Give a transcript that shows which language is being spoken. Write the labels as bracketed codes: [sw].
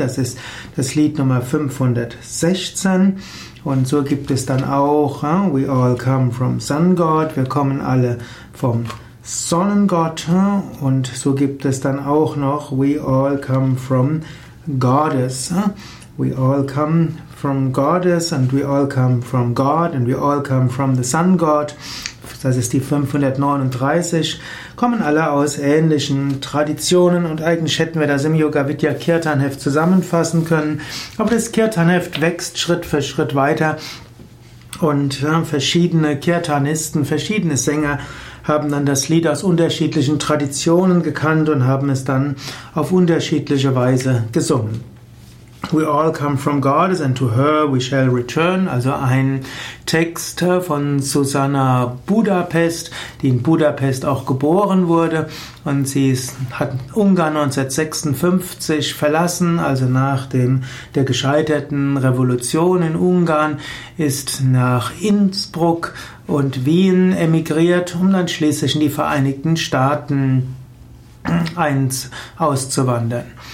[de] Das ist das Lied Nummer 516. Und so gibt es dann auch, [en] we all come from sun God, [de] wir kommen alle vom Sonnengott. Und so gibt es dann auch noch, [en] we all come from goddess. We all come from goddess and we all come from God and we all come from the sun god. [de] Das ist die 539. Kommen alle aus ähnlichen Traditionen, und eigentlich hätten wir das im Yoga Vidya Kirtan Heft zusammenfassen können. Aber das Kirtan Heft wächst Schritt für Schritt weiter, und verschiedene Kirtanisten, verschiedene Sänger haben dann das Lied aus unterschiedlichen Traditionen gekannt und haben es dann auf unterschiedliche Weise gesungen. [en] We all come from goddess and to her we shall return. [de] Also ein Text von Susanna Budapest, die in Budapest auch geboren wurde. Und sie hat Ungarn 1956 verlassen. Also nach der gescheiterten Revolution in Ungarn ist nach Innsbruck und Wien emigriert, um dann schließlich in die Vereinigten Staaten auszuwandern.